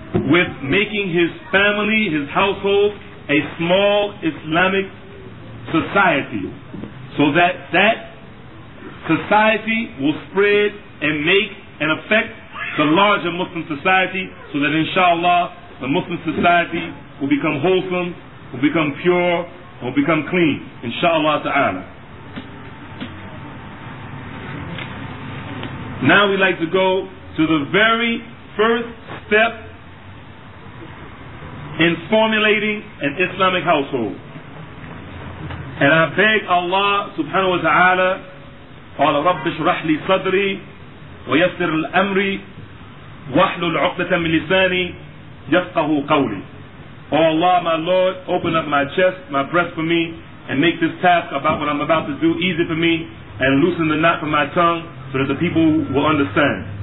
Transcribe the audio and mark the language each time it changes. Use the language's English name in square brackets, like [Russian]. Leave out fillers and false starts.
[English] with making his family, his household, a small Islamic society, so that that society will spread and make and affect the larger Muslim society, so that inshallah the Muslim society will become wholesome, will become pure, will become clean, inshallah ta'ala. Now we'd like to go to the very first step in formulating an Islamic household. And I beg Allah subhanahu wa ta'ala, [Arabic] قَالَ رَبِّ شُرَحْ لِي صَدْرِي وَيَسْرِ الْأَمْرِ وَحْلُ الْعُقْدَةً مِنْ لِسَانِي يَفْقَهُ قَوْلِي. [English] Oh Allah, my Lord, open up my chest, my breast for me, and make this task about what I'm about to do easy for me, and loosen the knot from my tongue so that the people will understand.